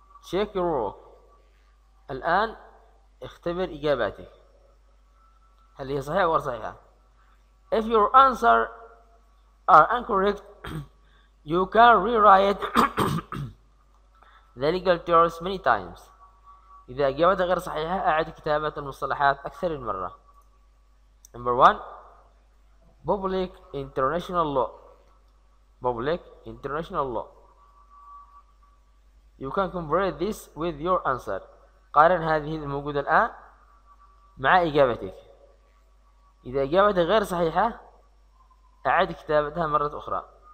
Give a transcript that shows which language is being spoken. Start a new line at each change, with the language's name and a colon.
English: Check your work.
Arabic: الآن اختبر إجاباتك. هل هي صحيحة أو صحيحة؟
English: If your answer are incorrect, you can rewrite. The legal terms many times.
Arabic: إذا أجابتك غير صحيحة أعد كتابة المصطلحات أكثر من مرة.
English: Number one. Public international law. Public international law. You can compare this with your answer.
Arabic: قارن هذه الموجودة الآن مع إجابتك. إذا أجابتك غير صحيحة أعد كتابتها مرة أخرى.